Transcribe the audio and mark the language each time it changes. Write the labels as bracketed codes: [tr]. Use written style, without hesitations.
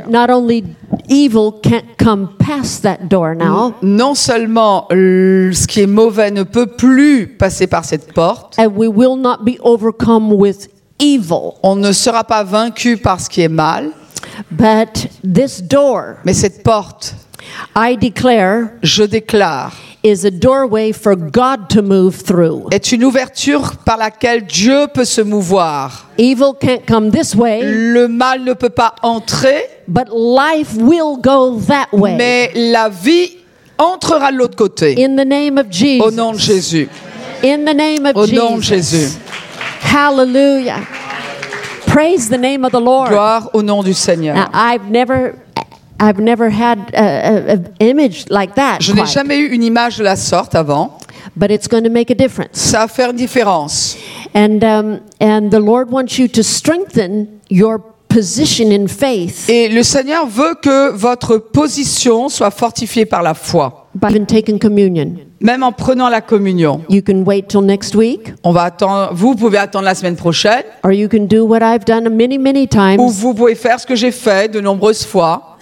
[en] That not only evil can't come past that door now. [fr] Non seulement ce qui est mauvais ne peut plus passer par cette porte. [en] And we will not be overcome with evil. [fr] On ne sera pas vaincu par ce qui est mal. [en] But this door. [fr] Mais cette porte. [en] I declare. [fr] Je déclare. [en] Is a doorway for God to move through. [fr] Est une ouverture par laquelle Dieu peut se mouvoir. [en] Evil can't come this way. [fr] Le mal ne peut pas entrer. [en] But life will go that way. [fr] Mais la vie entrera de l'autre côté. [en] In the name of Jesus. [fr] Au nom de Jésus. [en] In the name of Jesus. [fr] Au nom de Jésus. [en] Hallelujah. Praise the name of the Lord. [fr] Gloire au nom du Seigneur. [en] Now, I've never had an image like that. [fr] Je n'ai jamais eu une image de la sorte avant. [en] But it's going to make a difference. [fr] Ça va faire une différence. [en] And the Lord wants you to strengthen your position in faith. [fr] Et le Seigneur veut que votre position soit fortifiée par la foi. [en] By even taking communion. [fr] Même en prenant la communion. [en] You can wait till next week. [fr] On va attendre, vous pouvez attendre la semaine prochaine. [en] Or you can do what I've done many, many times. [fr] Ou vous pouvez faire ce que j'ai fait de nombreuses fois.